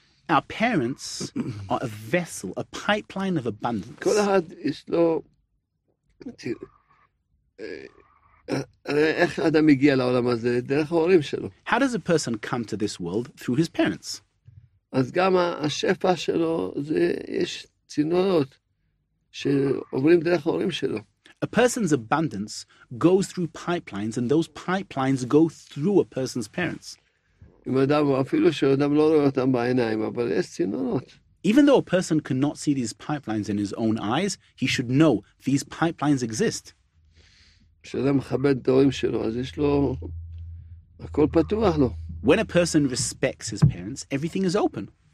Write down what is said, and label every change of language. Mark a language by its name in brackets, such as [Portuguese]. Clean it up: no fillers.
[English] Our parents are a vessel, a pipeline of abundance. [Hebrew] כל אחד יש לו... איך אדם מגיע לעולם הזה? דרך ההורים שלו. [English] How does a person come to this world? Through his parents. [Hebrew] אז גם השפע שלו זה יש צינורות שעוברים דרך ההורים שלו. [English] A person's abundance goes through pipelines and those pipelines go through a person's parents. [Hebrew] אם אדם, אפילו שאדם לא רואה אותם בעיניים, אבל יש צינורות. [English] Even though a person cannot see these pipelines in his own eyes, he should know these pipelines exist. [Hebrew] כשאדם מכבד את ההורים שלו, אז יש לו הכל פתוח לו. [English] When a person respects his parents, everything is open.